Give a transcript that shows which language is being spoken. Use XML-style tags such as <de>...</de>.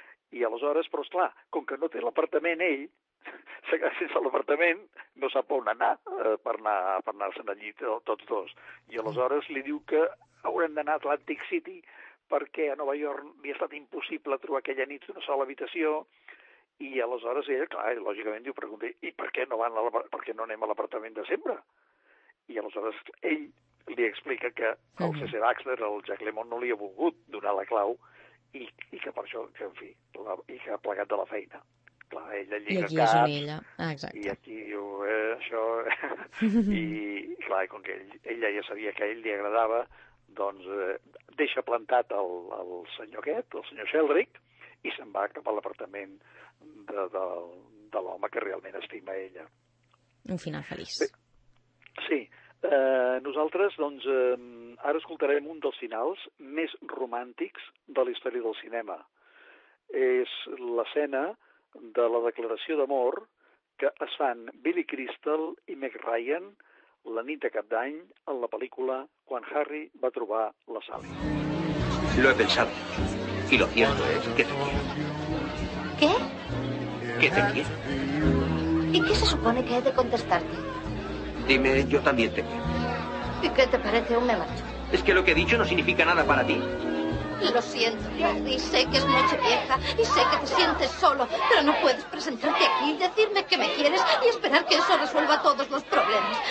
<ca>I aleshores, però esclar, com que no té l'apartament ell, s'ha quedat sense l'apartament, no sap on anar per anar-se'n al llit tots dos. I aleshores li diu que hauran d'anar a Atlantic City perquè a Nova York li ha estat impossible trobar aquella nit una sola habitació. I aleshores ella, clar, lògicament diu, pregunta, i per què no anem a l'apartament de sempre? I aleshores ell li explica que el C.C. Baxter, el Jack Lemmon, no li ha volgut donar la clau i que per això, que en fi, i que ha plegat de la feina. Clar, ella lliga caps. I aquí és on ella, exacte. I aquí diu, això... I clar, com que ella ja sabia que a ell li agradava, doncs deixa plantat el senyor aquest, el senyor Sheldrake, i se'n va cap a l'apartament de l'home que realment estima ella. Un final feliç. Sí. Nosaltres, doncs, ara escoltarem un dels finals més romàntics de la història del cinema. És l'escena de la declaració d'amor que es fan Billy Crystal i Meg Ryan la nit de Cap d'Any en la pel·lícula Quan Harry va trobar la Sally.</ca> <es>Lo he pensado. Y lo cierto es que te quiero. ¿Qué? Que te quiero. ¿Y qué se supone que he de contestarte? Dime, yo también te quiero. ¿Y qué te parece un me macho? Es que lo que he dicho no significa nada para ti. Lo siento, Harry, sé que es noche vieja y sé que te sientes solo, pero no puedes presentarte aquí y decirme que me quieres y esperar que eso resuelva todos los problemas.</es>